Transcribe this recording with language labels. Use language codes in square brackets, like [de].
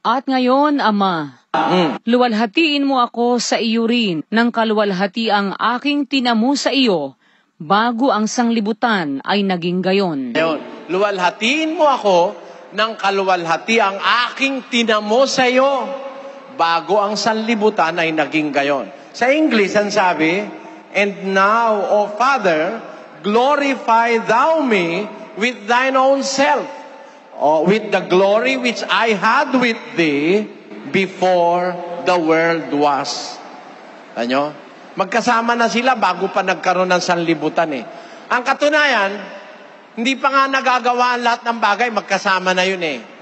[tl] At ngayon, Ama, luwalhatiin mo ako sa iyo rin nang kaluwalhati ang aking tinamo sa iyo bago ang sanglibutan ay naging gayon. Ngayon, luwalhatiin mo ako nang kaluwalhati ang aking tinamo sa iyo bago ang sanlibutan ay naging gayon. Sa English, ang sabi, [en] And now, O Father, glorify thou me with thine own self, with the glory which I had with thee before the world was. [tl] Tanyo? Magkasama na sila bago pa nagkaroon ng sanlibutan eh. Ang katunayan, hindi pa nga nagagawa ang lahat ng bagay, magkasama na yun eh.